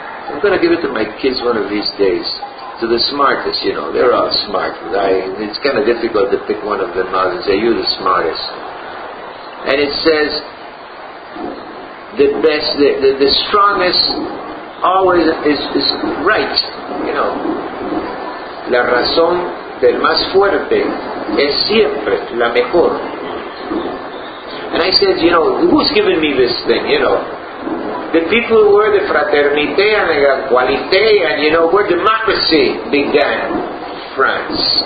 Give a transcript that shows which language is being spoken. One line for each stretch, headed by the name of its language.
English: I'm going to give it to my kids one of these days. To the smartest, you know. They're all smart. It's kind of difficult to pick one of them out and say, you're the smartest. And it says, the strongest always is right, you know.
Spanish: La razón del más fuerte es siempre la mejor.
English: And I said, you know, who's giving me this thing, you know? The people who were the fraternité and the égalité, and you know, where democracy began, France.